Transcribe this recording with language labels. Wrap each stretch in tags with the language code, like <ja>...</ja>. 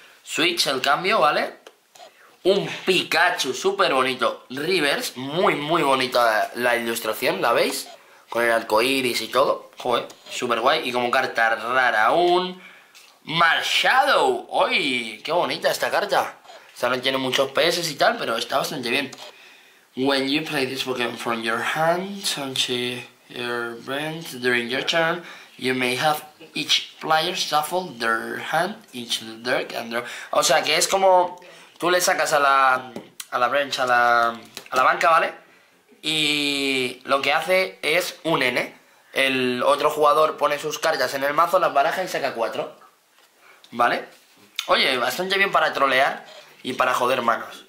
<es>Switch el cambio, ¿vale? Un Pikachu súper bonito, Reverse, muy muy bonita la ilustración, ¿la veis? Con el arcoiris y todo, joder, súper guay, y como carta rara aún. Marshadow, ¡ay! ¡Qué bonita esta carta! O sea, no tiene muchos PS y tal, pero está bastante bien.</es> <en>When you play this Pokemon from your hand onto your bench during your turn, you may have each player shuffle their hand into the deck and draw.</en> <es>O sea, que es como tú le sacas a la bench, a la banca, ¿vale? Y lo que hace es un N. El otro jugador pone sus cartas en el mazo, las baraja y saca 4. ¿Vale? Oye, bastante bien para trolear y para joder manos.</es>